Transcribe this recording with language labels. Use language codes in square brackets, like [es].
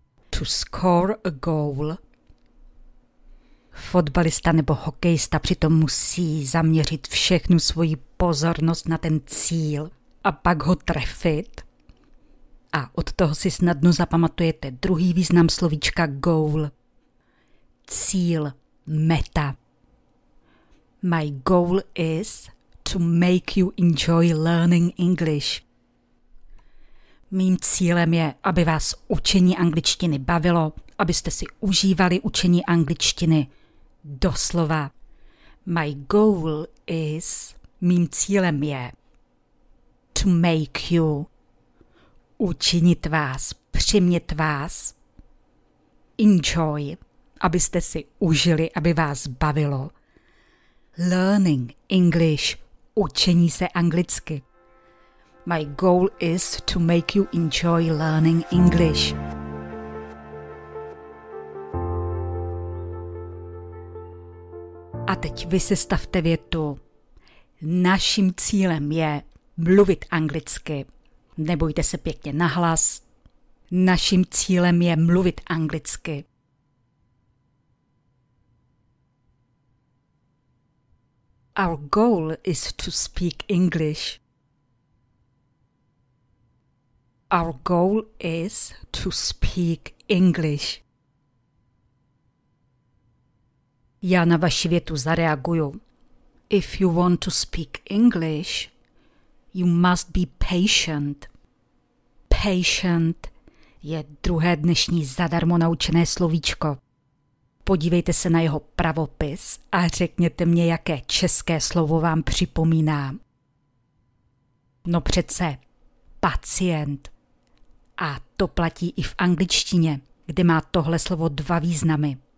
[en] To score a goal. [cs] Fotbalista nebo hokejista přitom musí zaměřit všechnu svoji pozornost na ten cíl a pak ho trefit. A od toho si snadno zapamatujete druhý význam slovíčka goal. Cíl, meta. [en] My goal is to make you enjoy learning English. [cs] Mým cílem je, aby vás učení angličtiny bavilo, abyste si užívali učení angličtiny. Doslova. [en] My goal is, [cs] mým cílem je, [en] to make you, [cs] učinit vás, přimět vás, enjoy, abyste si užili, aby vás bavilo. [en] Learning English, [cs] učení se anglicky. [en] My goal is to make you enjoy learning English. [cs] A teď vy se stavte větu. Naším cílem je mluvit anglicky. Nebojte se pěkně nahlas. Naším cílem je mluvit anglicky. [en] Our goal is to speak English. Our goal is to speak English. [cs] Já na vaši větu zareaguju. [en] If you want to speak English, you must be patient. [cs] Patient je druhé dnešní zadarmo naučené slovíčko. Podívejte se na jeho pravopis a řekněte mě, jaké české slovo vám připomíná. No přece, pacient. A to platí i v angličtině, kde má tohle slovo dva významy.